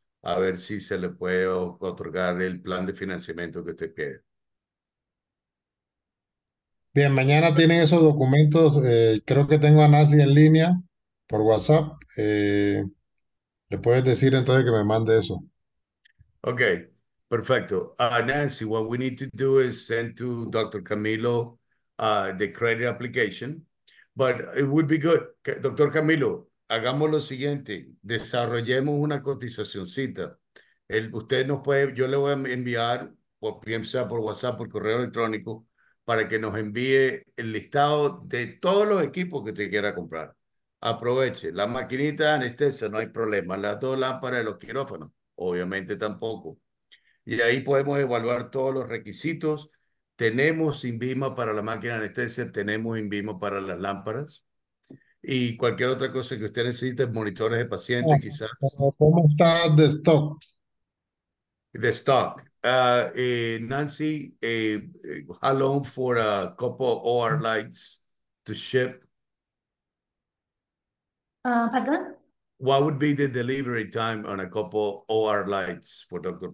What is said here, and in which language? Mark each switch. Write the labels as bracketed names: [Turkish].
[Spanish] A ver si se le puede otorgar el plan de financiamiento que usted pide. Bien, mañana tienen esos documentos. Creo que tengo a Nancy en línea por WhatsApp. ¿Le puedes decir entonces que me mande eso? Ok, perfecto. [English] Nancy, what we need to do is send to Dr. Camilo the credit application. But it would be good, Dr. Camilo. [Spanish] Hagamos lo siguiente, desarrollemos una cotizacioncita Usted nos puede, yo le voy a enviar, bien sea por WhatsApp, por correo electrónico, para que nos envíe el listado de todos los equipos que usted quiera comprar. Aproveche, la maquinita de anestesia, no hay problema. Las dos lámparas de los quirófanos, obviamente tampoco. Y ahí podemos evaluar todos los requisitos. Tenemos INVIMA para la máquina de anestesia, tenemos INVIMA para las lámparas. Y cualquier otra cosa que usted necesite, monitores de pacientes, quizás. ¿Cómo está de stock? De stock. [English] Nancy, how long for a couple OR lights to ship? Pardon? What would be the delivery time on a couple OR lights for Dr.